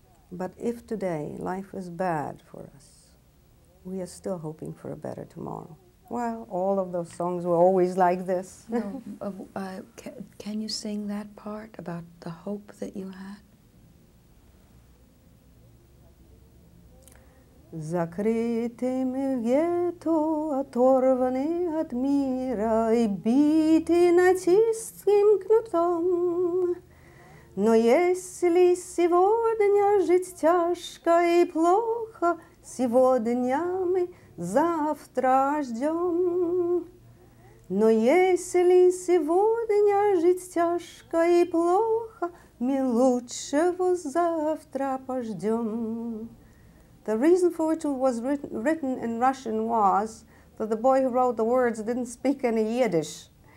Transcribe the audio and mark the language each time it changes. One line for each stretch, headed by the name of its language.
English: But if today life is bad for us, we are still hoping for a better tomorrow. Well, all of those songs were always like this. No, can you sing that part about the hope that you had?
Russian: Закритими в гетто, оторвані від міра і біті нацистським кнутом. Но если сегодня жить тяжко и плохо, сегодня мы завтра ждем. Но если сегодня жить тяжко и плохо, мы лучшего завтра пождем.
English: The reason for which it was written in Russian was that the boy who wrote the words didn't speak any Yiddish.